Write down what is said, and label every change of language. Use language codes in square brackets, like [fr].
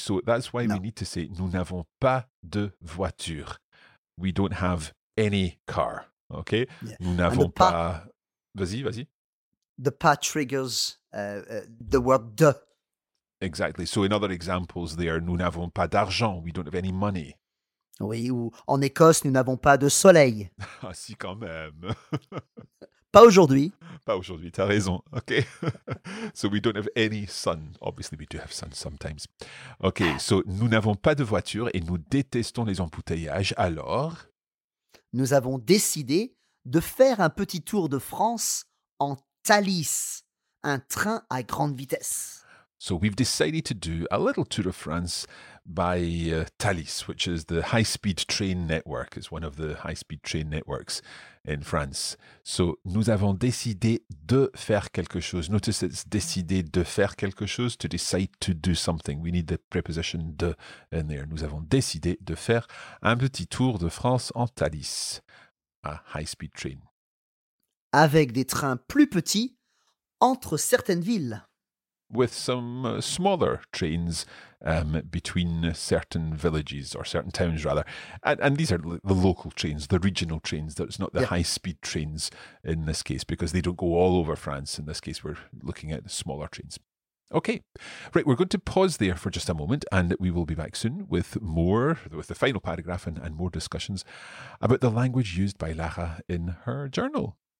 [en] So that's why we need to say, [fr] nous n'avons pas de voiture. [en] We don't have any car, okay? [fr] Yeah. Nous n'avons pas... Vas-y. [en] The pas triggers the word de. Exactly. So in other examples there, [fr] nous n'avons pas d'argent. [en] We don't have any money. [fr] Oui, ou en Écosse, nous n'avons pas de soleil. Ah, si, quand même. Pas aujourd'hui, t'as raison. [en] Okay. So we don't have any sun. Obviously, we do have sun sometimes. Okay, so [fr] nous n'avons pas de voiture et nous détestons les embouteillages. Alors, nous avons décidé de faire un petit tour de France en Thalys, un train à grande vitesse. [en] So we've decided to do a little tour of France by Thalys, which is the high-speed train network. It's one of the high-speed train networks in France. [fr] So nous avons décidé de faire quelque chose. [en] Notice it's [fr] décidé de faire quelque chose, [en] to decide to do something. We need the preposition de in there. [fr] Nous avons décidé de faire un petit tour de France en Thalys, [en] a high-speed train. [fr] Avec des trains plus petits entre certaines villes. [en] With some smaller trains between certain villages or certain towns, rather. And these are the local trains, the regional trains. That's not the high-speed trains in this case, because they don't go all over France. In this case, we're looking at the smaller trains. Okay. Right, we're going to pause there for just a moment, and we will be back soon with more, with the final paragraph and more discussions about the language used by Lara in her journal.